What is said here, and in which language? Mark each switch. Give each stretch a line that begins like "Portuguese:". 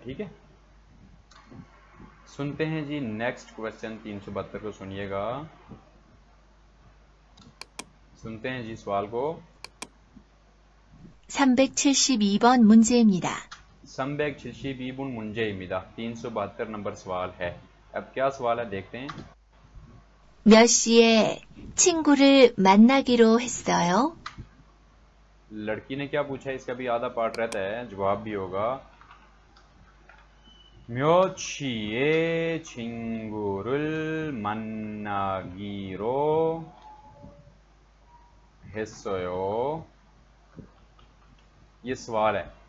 Hindi: ठीक है, सुनते हैं जी नेक्स्ट क्वेश्चन 372 को सुनिएगा। सुनते हैं जी सवाल को।
Korean: 372번 문제입니다. 372번 문제입니다.
Hindi: 372 नंबर सवाल है। अब क्या सवाल है देखते हैं।
Korean: 몇 시에 친구를 만나기로 했어요?
Hindi: लड़की ने क्या पूछा है? इसका भी आधा पार्ट रहता है, जवाब भी होगा।
Korean: म्यो छिए छिंगुरुल मन्नागीरो हेसोयो,
Hindi: ये सवाल है।